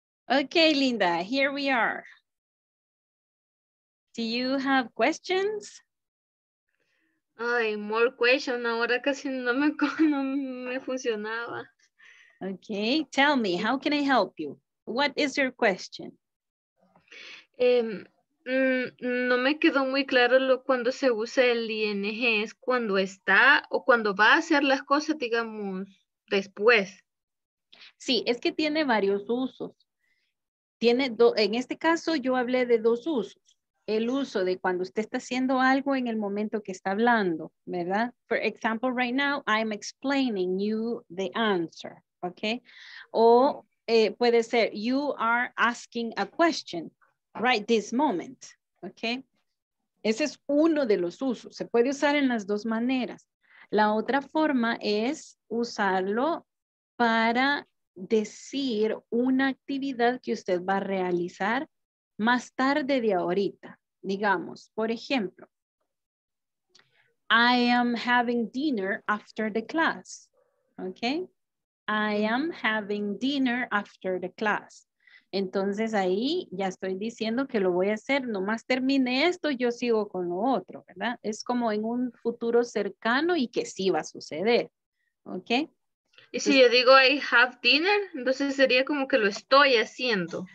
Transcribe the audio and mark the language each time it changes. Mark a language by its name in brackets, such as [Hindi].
[English] Okay, Linda, here we are. Do you have questions? [Spanish] Ay, [English] more questions. [Spanish] Ahora casi no me funcionaba. [English] Okay, tell me, how can I help you? What is your question? [Spanish] No me quedó muy claro lo cuando se usa el ING, es cuando está o cuando va a hacer las cosas, digamos, después. Sí, es que tiene varios usos. Tiene en este caso yo hablé de dos usos. El uso de cuando usted está haciendo algo en el momento que está hablando, ¿verdad? [English] For example, right now, I'm explaining you the answer, okay? [Spanish] O puede ser, [English] you are asking a question right this moment, okay? [Spanish] Ese es uno de los usos. Se puede usar en las dos maneras. La otra forma es usarlo para decir una actividad que usted va a realizar más tarde de ahorita. Digamos, por ejemplo, [English] I am having dinner after the class. Okay? I am having dinner after the class. [Spanish] Entonces ahí ya estoy diciendo que lo voy a hacer. Nomás termine esto, yo sigo con lo otro, ¿verdad? Es como en un futuro cercano y que sí va a suceder. [English] Okay? [Spanish] Y si yo digo [English] I have dinner, [Spanish] entonces sería como que lo estoy haciendo.